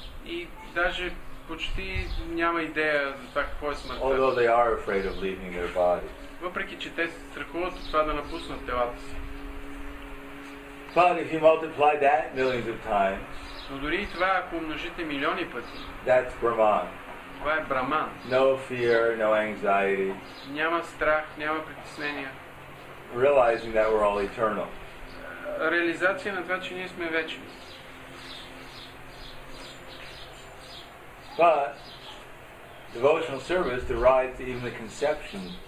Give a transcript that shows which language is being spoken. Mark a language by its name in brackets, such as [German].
[Bulgarian] И даже почти няма идея за това какво е смъртта. [English] Although they are afraid of leaving their bodies. [Bulgarian] Въпреки че те се страхуват от това да напуснат телата си. [English] But if you multiply that millions of times. [Bulgarian] Но дори и това, ако умножите милиони пъти. [English] That's Brahman. [Bulgarian] Това е Браман. [English] No fear, no anxiety. [Bulgarian] Няма страх, няма притеснения. [English] Realizing that we're all eternal. [Bulgarian] Реализация на това, че ние сме вечни. [English] But devotional service derives even the conception.